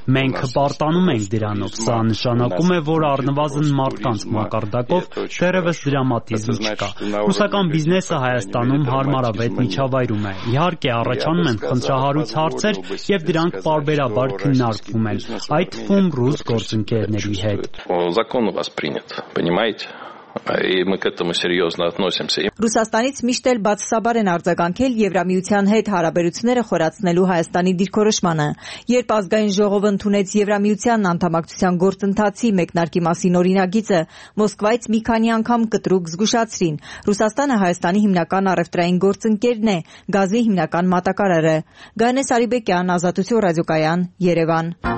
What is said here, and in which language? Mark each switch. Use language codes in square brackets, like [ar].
[hy] Մենք հպարտանում ենք դրանով։ Սա նշանակում է, որ առնվազն մարդկանց մակարդակով դեռևս դրամատիզմ չկա։ Ռուսական բիզնեսը Հայաստանում հարմարավետ միջավայրում է։ Իհարկե, առաջանում են խնդրահարույց հարցեր, եւ դրանք պարբերաբար քննարկվում են։ Այդ թվում ռուս գործընկերների հետ։ [ru] Закон у вас принят, понимаете? И мы к этому серьёзно относимся. [hy] Ռուսաստանից միշտ էլ բացասաբար են արձագանքել Եվրամիության հետ հարաբերությունները խորացնելու Հայաստանի դիրքորոշմանը։ Երբ ազգային ժողովը ընդունեց Եվրամիության անդամակցության գործընթացի մեկնարկի մասին օրինագիծը, Մոսկվայից մի քանի անգամ կտրուկ զգուշացրին։ Ռուսաստանը Հայաստանի հիմնական առևտրային գործընկերն է, գազի հիմնական մատակարարը։ Գանես Արիբեկյան, Ազատություն ռադիոկայան, Երևան։